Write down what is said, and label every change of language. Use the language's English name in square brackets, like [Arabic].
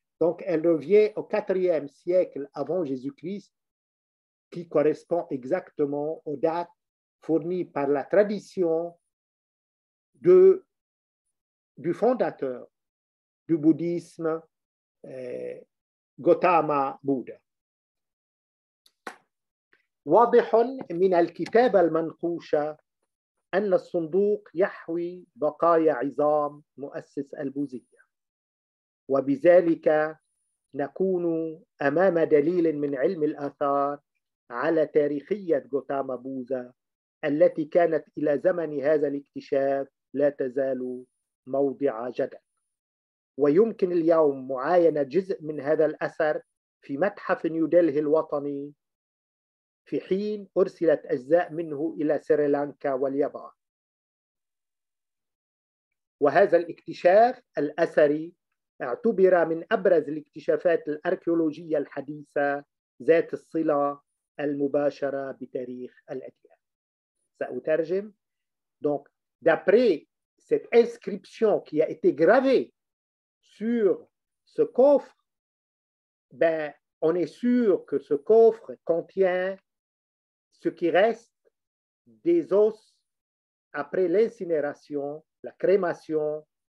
[French] Donc, elle revient au 4e siècle avant Jésus-Christ, qui correspond exactement aux dates fournies par la tradition du fondateur du bouddhisme, Gautama Bouddha. [Arabic] واضح من الكتابة المنقوشة أن الصندوق يحوي بقايا عظام مؤسس البوذية، وبذلك نكون أمام دليل من علم الآثار على تاريخية غوتاما بوذا التي كانت إلى زمن هذا الاكتشاف لا تزال موضع جدل. ويمكن اليوم معاينة جزء من هذا الأثر في متحف نيودلهي الوطني، في حين أرسلت أجزاء منه إلى سريلانكا واليابان. وهذا الاكتشاف الأثري اعتبر من أبرز الاكتشافات الأركيولوجية الحديثة ذات الصلة المباشرة بتاريخ الأديان. سأترجم. [French] Donc, d'après cette inscription qui a été gravée sur ce coffre, on est sûr que ce coffre contient ce qui reste des os après l'incinération, la crémation